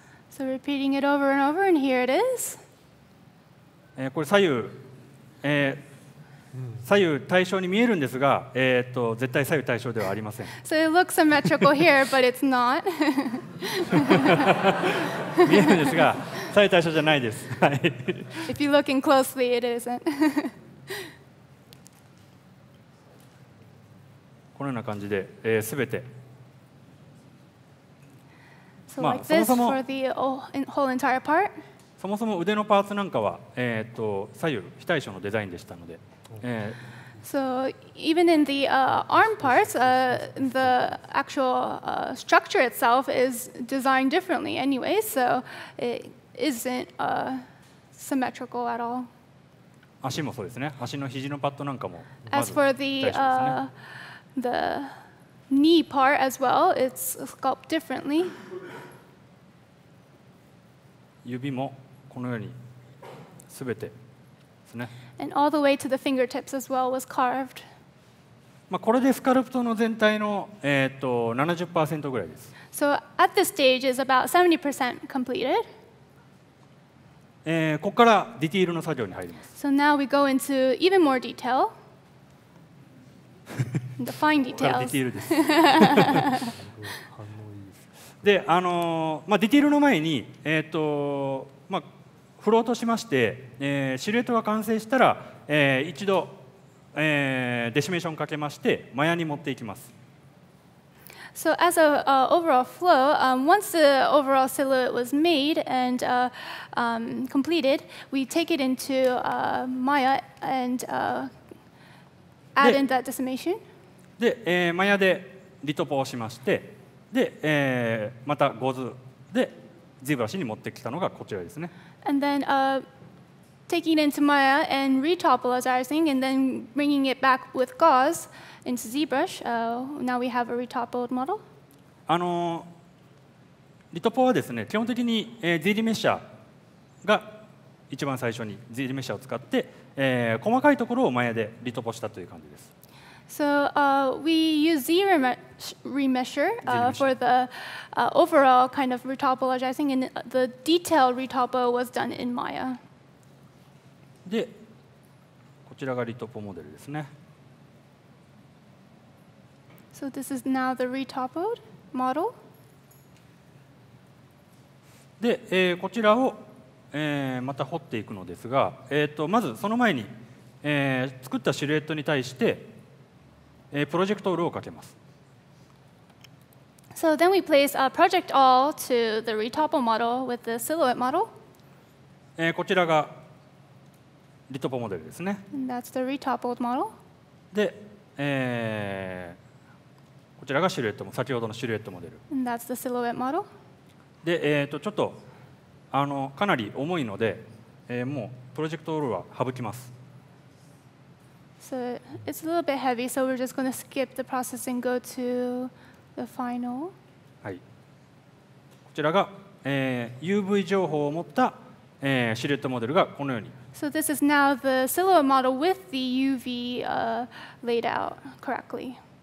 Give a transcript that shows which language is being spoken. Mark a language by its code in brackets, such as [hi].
[en] So repeating it over and over, and here it is. [ja] これ左右対称に見えるんですが、絶対左右対称ではありません。 [en] So it looks symmetrical here, but it's not. [ja] 見えるんですが、左右対称じゃないです。 [en] If you look in closely, it isn't. [ja] このような感じで、全て。 [en] So like this for the whole entire part? [ja] そもそも腕のパーツなんかは、左右非対称のデザインでしたので、 [en] So even in the arm parts, the actual structure itself is designed differently anyway, so it isn't symmetrical at all. [ja] 足もそうですね。足の肘のパッドなんかも、 [en] As for the、ね、the knee part as well, it's sculpted differently. [ja] 指もこのようにすべてですね。 [en] And all the way to the fingertips as well was carved. [ja] まあこれでスカルプトの全体の70% ぐらいです。 [en] So at this stage is about 70% completed. [ja] ここからディティールの作業に入ります。 [en] So now we go into even more detail. The fine details. [ja] ディティールです。で、ディティールの前に、フロートしまして、シルエットが完成したら、一度、デシメーションかけましてマヤに持っていきます。 [en] So as a overall flow, once the overall silhouette was made and completed, we take it into Maya and add in that decimation. [ja] で、マヤでリトポをしまして、で、またゴーズでZBrushに持ってきたのがこちらですね。 [en] And then taking it into Maya and retopologizing and then bringing it back with gauze into ZBrush, now we have a retopled model. [ja] リトポはですね、基本的に、Z リメッシャーが一番最初に Z リメッシャーを使って、細かいところをMayaでリトポしたという感じです。 [en] So we use Z remesher for the overall kind of retopologizing, and the detailed retopo was done in Maya. [ja] で、こちらがリトポモデルですね。 [en] So this is now the retopoed. model. [ja] で、こちらを、また彫っていくのですが、まずその前に、作ったシルエットに対して、プロジェクトオールをかけます。 [en] So then we place a project all to the retopo model with the silhouette model. [ja] こちらがリトポモデルですね。 [en] And that's the retopo model. [ja] で、こちらがシルエットも先ほどのシルエットモデル。 [en] And that's the silhouette model. [ja] で、ちょっとかなり重いので、もうプロジェクトオールは省きます。 [en] So it's a little bit heavy, so we're just going to skip the process and go to the final. [ja] はい。こちらが、UV 情報を持った、シルエットモデルがこのように。 [en] So this is now the silhouette model with the UV laid out correctly.